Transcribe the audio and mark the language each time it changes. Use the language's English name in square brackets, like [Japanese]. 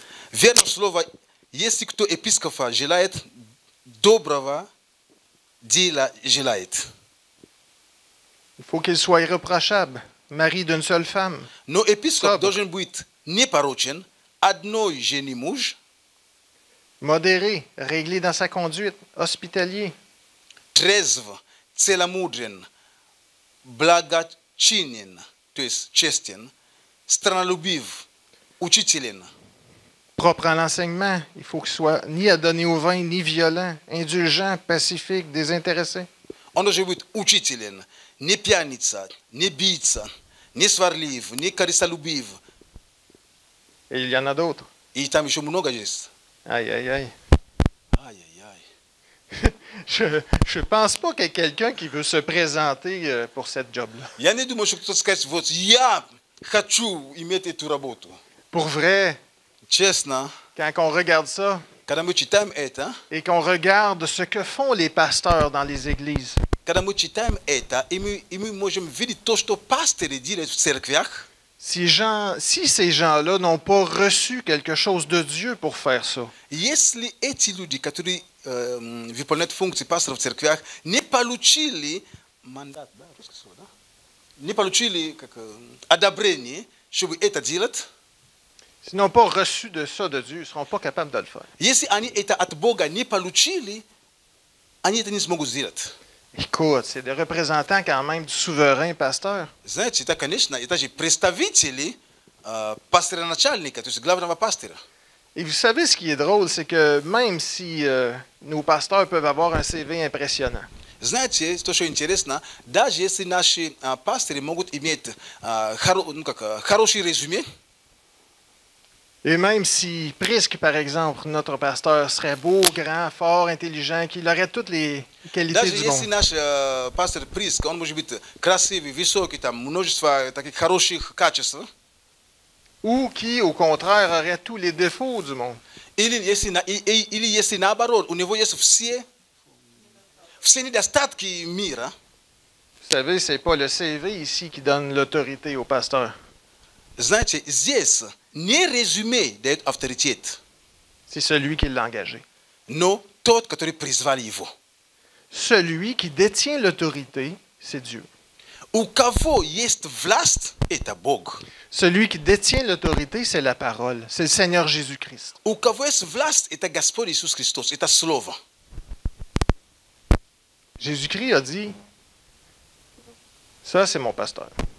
[Russian] Верно слово есть кто епископа желает доброго дела желает. [French] Il faut qu'il soit irréprochable, mari d'une seule femme. [Russian] Но епископ должен быть непорочен, одной жены муж. [French] Modéré, réglé dans sa conduite, hospitalier. [Russian] Трезво, целомудрен, благочинен, то есть честен, странолюбив, учителен. [French] Propre à l'enseignement, il faut qu'il soit ni adonné au vin, ni violent, indulgent, pacifique, désintéressé. [Russian] Он должен быть учителен, не пьяница, не бийца, не сварлив, не корыстолюбив. [French] Et il y en a d'autres. [Russian] И там еще много есть. Aïe, aïe, aïe. [French] Je ne pense pas qu'il y ait quelqu'un qui veut se présenter pour cette job-là. [Russian] Я не думаю, что кто-то скажет, вот я хочу иметь эту работу. [French] Pour vrai. [Russian] Честно. [French] Quand on regarde ça. Quand [Russian] мы читаем это. [French] Et qu'on regarde ce que font les pasteurs dans les églises. Quand [Russian] мы читаем это, и мы можем видеть то, что пастыри делают в церквях. [French] Si ces gens-là n'ont pas reçu quelque chose de Dieu pour faire ça. [Russian] Если эти люди, которые выполняют функции пастора в церквях, не получили мандат, да, русское слово, да? Не получили как одобрение, чтобы это делать. [French] Ils n'ont pas reçu de ça de Dieu, ils ne seront pas capables de le faire. [Russian] Если они это от Бога не получили, они это не смогут сделать. [French] Écoute, c'est des représentants quand même du souverain pasteur. [Russian] Знаете, это, конечно, это же представители пастора начальника, то есть главного пастора. [French] Et vous savez ce qui est drôle, c'est que même si nos pasteurs peuvent avoir un CV impressionnant. [Russian] Знаете, то, что интересно, даже если наши пастыри могут иметь хорошее резюме. [French] Et même si Prisque, par exemple, notre pasteur serait beau, grand, fort, intelligent, qu'il aurait toutes les qualités [Russian] даже [French] du monde. [Russian] Даже если наш пастор Prisque, он может быть красивый, высокий, там множество таких хороших качеств. [French] Ou qui, au contraire, aurait tous les défauts du monde. [Russian] Или если наоборот, у него есть все недостатки мира. [French] Vous savez, c'est pas le CV ici qui donne l'autorité au pasteur. [Russian] Знаете, здесь не [French] résumé d'être autorité. C'est celui qui l'a engagé. [Russian] Non, тот, который призвал его. [French] Celui qui détient l'autorité, c'est Dieu. [Russian] У кого есть власть, это Бог. [French] Celui qui détient l'autorité, c'est la parole, c'est le Seigneur Jésus-Christ. [Russian] У кого есть власть, это Господь Иисус Христос, это Слово. [French] Jésus-Christ a dit, ça c'est mon pasteur.